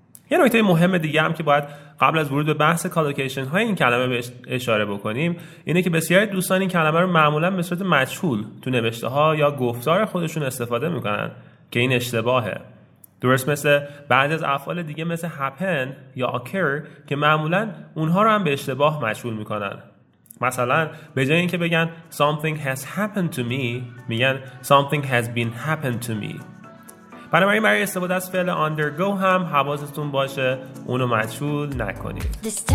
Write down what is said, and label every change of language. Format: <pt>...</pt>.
<fa>یه نکته مهم دیگه هم که باید قبل از ورود به بحث کالوکیشن های این کلمه به اشاره بکنیم اینه که بسیاری دوستان این کلمه رو معمولا به صورت مجهول تو نوشته ها یا گفتار خودشون استفاده میکنن که این اشتباهه. درست مثل بعضی از افعال دیگه مثل happen یا occur که معمولا اونها رو هم به اشتباه مجهول میکنن. مثلا به جای اینکه بگن</fa> <en>something has happened to me</en> <fa>میگن</fa> <en>something has been happened to me.</en> <fa>بنابراین برای استفاده از فعل undergo هم حواستون باشه اونو مجهول نکنید.</fa>